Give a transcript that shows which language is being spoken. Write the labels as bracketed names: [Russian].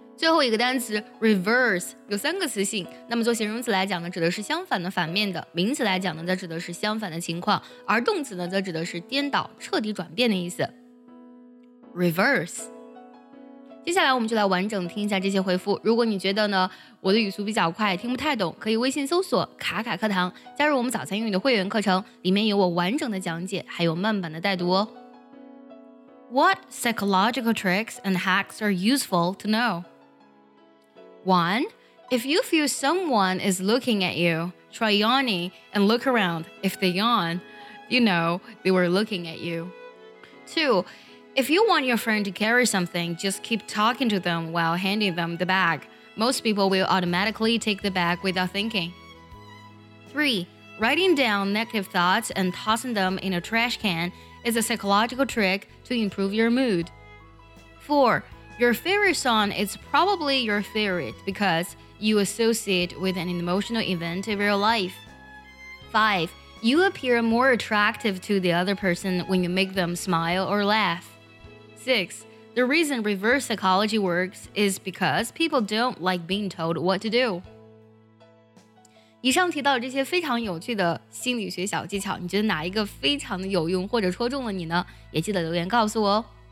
[Chinese] 最后一个单词 reverse 有三个词性，那么做形容词来讲呢指的是相反的反面的，名词来讲呢则指的是相反的情况，而动词呢则指的是颠倒彻底转变的意思 reverse。 接下来我们就来完整听一下这些回复，如果你觉得呢我的语速比较快听不太懂，可以微信搜索卡卡课堂加入我们早餐英语的会员课程，里面有我完整的讲解还有慢版的带读哦。 [English] What psychological tricks and hacks are useful to know? 1. If you feel someone is looking at you, try yawning and look around. If they yawn, you know they were looking at you. 2. If you want your friend to carry something, just keep talking to them while handing them the bag. Most people will automatically take the bag without thinking. 3. Writing down negative thoughts and tossing them in a trash can is a psychological trick to improve your mood. 4. Your favorite song is probably your favorite because you associate with an emotional event in real life. 5. You appear more attractive to the other person when you make them smile or laugh. 6. The reason reverse psychology works is because people don't like being told what to do. [Chinese] 以上提到这些非常有趣的心理学小技巧，你觉得哪一个非常的有用或者戳中了你呢？也记得留言告诉我哦。